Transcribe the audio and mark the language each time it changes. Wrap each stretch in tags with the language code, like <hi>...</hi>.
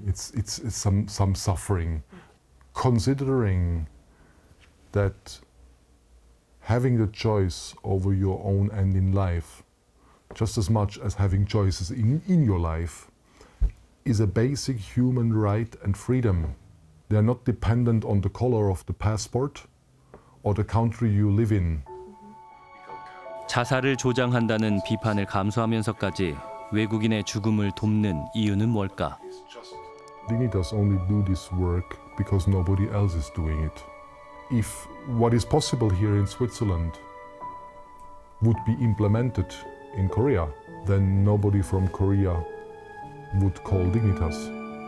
<en>It's some suffering. Considering that having the choice over your own end in life, just as much as having choices in your life, is a basic human right and freedom, They are not dependent on the color of the passport or the country you live in.</en> <ko>자살을 조장한다는 비판을 감수하면서까지 외국인의 죽음을 돕는 이유는 뭘까?</ko> <en>Dignitas only do this work because nobody else is doing it. If what is possible here in Switzerland would be implemented in Korea, then nobody from Korea would call Dignitas.</en>